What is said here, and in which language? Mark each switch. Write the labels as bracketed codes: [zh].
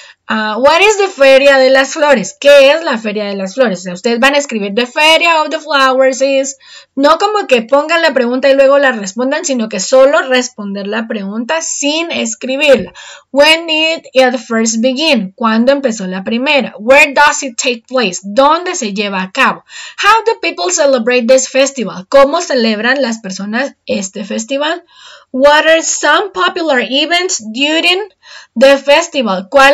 [en] What is the Feria de las Flores? [es] ¿Qué es la Feria de las Flores? O sea, ustedes van a escribir [en] The Feria of the Flowers is... [es] No como que pongan la pregunta y luego la respondan, sino que solo responder la pregunta sin escribirla. [en] When did it first begin? [es] ¿Cuándo empezó la primera? [en] Where does it take place? [es] ¿Dónde se lleva a cabo? [en] How do people celebrate this festival? [es] ¿Cómo celebran las personas este festival? [en] What are some popular events during the festival?